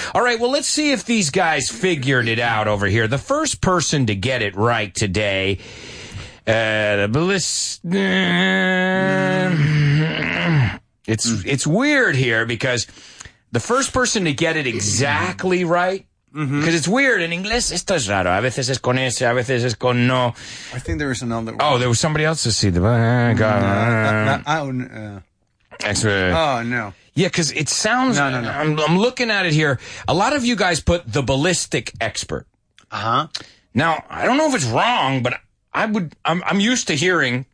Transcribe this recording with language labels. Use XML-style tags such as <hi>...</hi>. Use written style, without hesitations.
<en>All right, well, let's see if these guys figured it out over here. The first person to get it right today, it's weird here because the first person to get it exactly right. Because mm-hmm. it's weird. In English,</en> <es>esto es raro. A veces es con ese, a veces es con no.</es> <en>I think there was another one. Oh, there was somebody else to see. The. No. Yeah, because it sounds... No. I'm looking at it here. A lot of you guys put the ballistic expert. Uh-huh. Now, I don't know if it's wrong, but I'm used to hearing...</en>